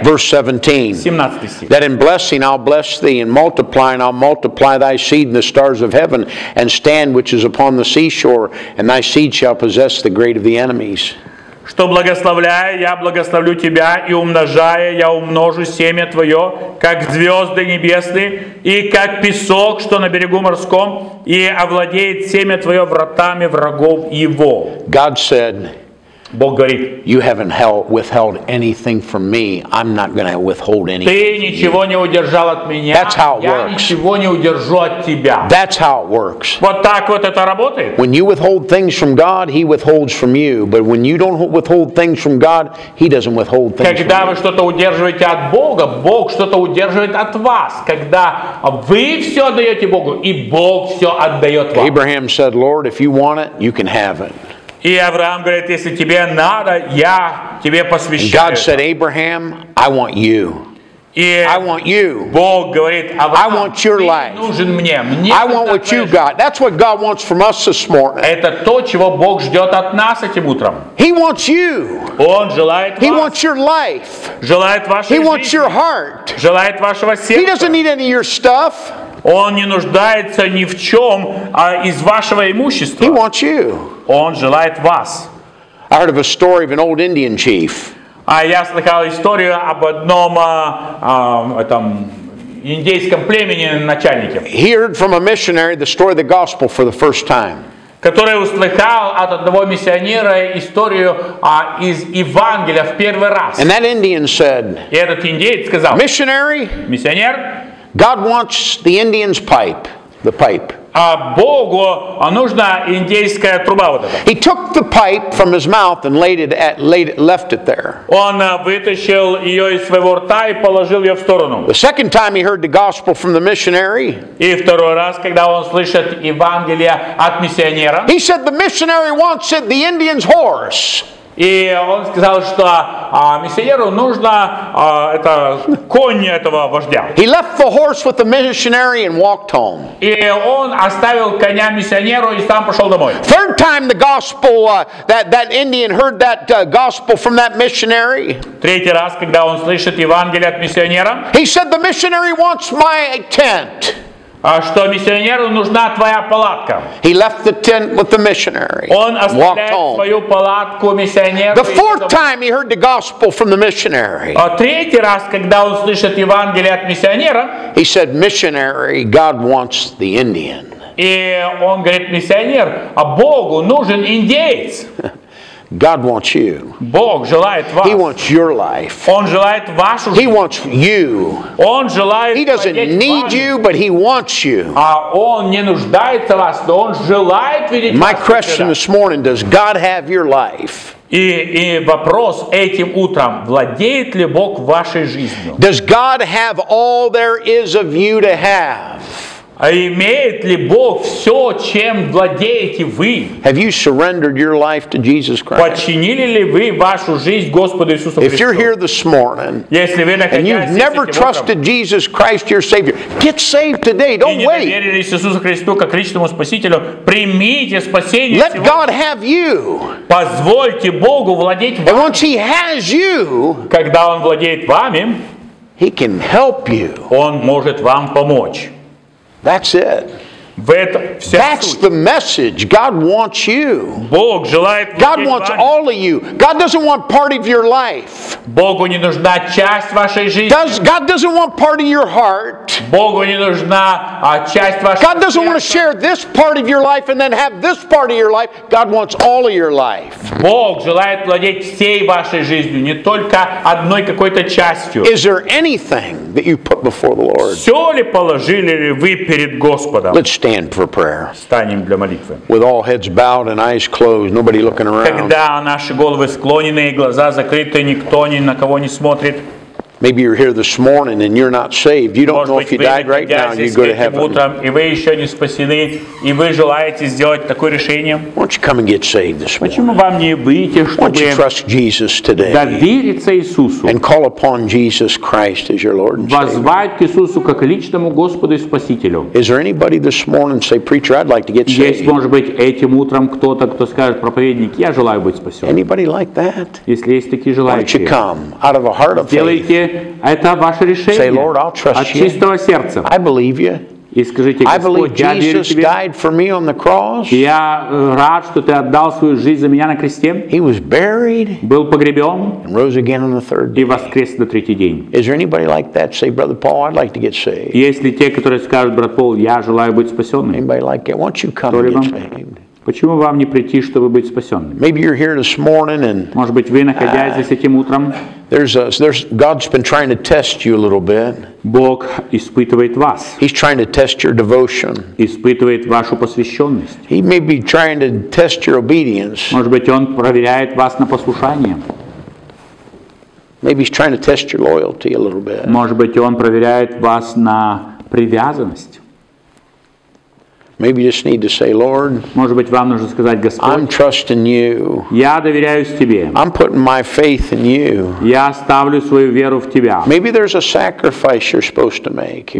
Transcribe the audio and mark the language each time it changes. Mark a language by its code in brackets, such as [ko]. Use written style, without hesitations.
[en] Verse 17. [ru] 17 стих. [en] That in blessing I'll bless thee, and multiplying I'll multiply thy seed in the stars of heaven and stand which is upon the seashore and thy seed shall possess the great of the enemies. [ru] Что благословляя, я благословлю тебя, и умножая, я умножу семя твое, как звезды небесные, и как песок, что на берегу морском, и овладеет семя твое вратами врагов его. [en] God said, [ru] Бог говорит, [en] you haven't withheld anything from me. I'm not going to withhold anything. [ru] Ты ничего не удержал от меня. [en] That's how it works. [ru] Я ничего не удержу от тебя. [en] That's how it works. [ru] Вот так вот это работает. [en] When you withhold things from God, he withholds from you. But when you don't withhold things from God, he doesn't withhold things from you. [ru] Когда вы что-то удерживаете от Бога, Бог что-то удерживает от вас. Когда вы все отдаете Богу, и Бог все отдает вам. [en] Abraham said, Lord, if you want it, you can have it. [ru] И Авраам говорит, если тебе надо, я тебе посвящаю. [en] And God said, Abraham, I want you. I want you. [ru] Бог говорит, Авраам, [en] I want your life. [ru] Нужен мне. Мне [en] I want what you got. That's what God wants from us this morning. [ru] Это то, чего Бог ждет от нас этим утром. [en] He wants you. [ru] Он желает вас. [en] He wants your life. [ru] Желает вашей жизни. [en] He wants your heart. [ru] Желает вашего сердца. [en] He doesn't need any of your stuff. [ru] Он не нуждается ни в чем, а из вашего имущества. [en] He wants you. [ru] Он желает вас. [en] I heard of a story of an old Indian chief. [ru] Я слыхал историю об одном этом индейском племени начальнике. [en] He heard from a missionary the story of the gospel for the first time. [ru] Который услыхал от одного миссионера историю из Евангелия в первый раз. [en] And that Indian said. [ru] И этот индейец сказал. [en] Missionary. [ru] Миссионер. [en] God wants the Indian's pipe, the pipe. [ru] А Богу нужна индейская труба вот эта. [en] He took the pipe from his mouth and left it there. [ru] Он вытащил ее из своего рта и положил ее в сторону. [en] The second time he heard the gospel from the missionary. [ru] И второй раз, когда он слышит Евангелие от миссионера. [en] He said the missionary wants it, the Indian's horse. [ru] И он сказал, что миссионеру нужна это конь этого вождя. [en] He left the horse with the missionary and walked home. [ru] И он оставил коня миссионеру и сам пошел домой. [en] Third time the gospel that Indian heard that gospel from that missionary. [ru] Третий раз, когда он слышит Евангелие от миссионера. [en] He said the missionary wants my tent. [ru] Что миссионеру нужна твоя палатка. [en] He left the tent with the missionary. [ru] Он оставляет свою палатку миссионеру. [en] The fourth time he heard the gospel from the missionary. [ru] Третий раз, когда он слышит Евангелие от миссионера. [en] He said, missionary, God wants the Indian. [ru] И он говорит, миссионер, а Богу нужен индеец. [en] God wants you. [ru] Бог желает вас. [en] He wants your life. [ru] Он желает вашу жизнь. [en] He wants you. [ru] Он желает. [en] He doesn't need you, but he wants you. [ru] А он не нуждается в вас, но он желает видеть вас. [en] My question this morning: does God have your life? [ru] И вопрос этим утром: владеет ли Бог вашей жизнью? [en] Does God have all there is of you to have? [ru] А имеет ли Бог все, чем владеете вы? [en] Have you surrendered your life to Jesus Christ? [ru] Подчинили ли вы вашу жизнь Господу Иисусу Христу? [en] If you're here this morning, [ru] если вы наконец-то, [en] and you've never trusted Jesus Christ your Savior, get saved today. Don't wait. [ru] И не доверили Иисусу Христу как личному спасителю, примите спасение. [en] Let God have you. [ru] Позвольте Богу владеть вами. [en] And once He has you, [ru] когда Он владеет вами, [en] He can help you. [ru] Он может вам помочь. [en] That's it. That's [ru] суть. [en] The message. God wants you. [ru] Бог желает вас. [en] God wants [ru] вами. [en] All of you. God doesn't want part of your life. [ru] Богу не нужна часть вашей жизни. [en] Does, God doesn't want part of your heart. [ru] Богу не нужна часть вашей. [en] God doesn't [ru] сердца. [en] Want to share this part of your life and then have this part of your life. God wants all of your life. [ru] Бог желает владеть всей вашей жизнью, не только одной какой-то частью. [en] Is there anything that you put before the Lord? [ru] Все ли положили ли вы перед Господом? [en] Let's stand for prayer. [ru] Станем для молитвы. [en] With all heads bowed and eyes closed, nobody looking around. [ru] Когда наши головы склонены и глаза закрыты, никто ни на кого не смотрит. [en] Maybe you're here this morning and you're not saved. You don't know if you died right now, you go to heaven. [ru] Утром, и вы еще не спасены, и вы желаете сделать такое решение. [en] Why don't you come and get saved this morning? [ru] Почему вам не выйти, чтобы [en] trust Jesus today? [ru] Довериться Иисусу. [en] And call upon Jesus Christ as your Lord and Savior. [ru] Воззвать к Иисусу как личному Господу и Спасителю. [en] Is there anybody this morning say, preacher, I'd like to get saved? [ru] Есть, может быть, этим утром кто-то, кто скажет, проповедник, я желаю быть спасен. [en] Anybody like that? [ru] Если есть такие желающие. [en] Why don't you come out of a heart of faith? [ru] Это ваше решение. [en] Say, Lord, I'll trust [ru] от чистого [en] you. [ru] Сердца. [en] I believe you. [ru] И скажите, Господь, [en] I believe [ru] я [en] Jesus [ru] верю тебе. [en] Died for me on the cross. [ru] Я рад, что ты отдал свою жизнь за меня на кресте. [en] He was buried. [ru] Был погребен. [en] And rose again on the third day. [ru] И воскрес на третий день. [en] Is there anybody like that? Say, Brother Paul, I'd like to get saved. [ru] Есть ли те, которые скажут, брат Пол, я желаю быть спасенным? [en] Anybody like that? Won't you come and get saved? [ru] Почему вам не прийти, чтобы быть спасенными? [en] Maybe you're here this morning and, [ru] может быть, вы, находясь здесь этим утром, [en] God's been trying to test you a little bit. [ru] Бог испытывает вас. [en] He's trying to test your devotion. [ru] Испытывает вашу посвященность. [en] He may be trying to test your obedience. [ru] Может быть, он проверяет вас на послушание. [en] Maybe he's trying to test your loyalty a little bit. [ru] Может быть, он проверяет вас на привязанность. [en] Maybe you just need to say, Lord, [ru] может быть, вам нужно сказать, Господь, [en] I'm trusting you. [ru] Я доверяюсь тебе. [en] I'm putting my faith in you. [ru] Я ставлю свою веру в тебя. [en] Maybe there's a sacrifice you're supposed to make.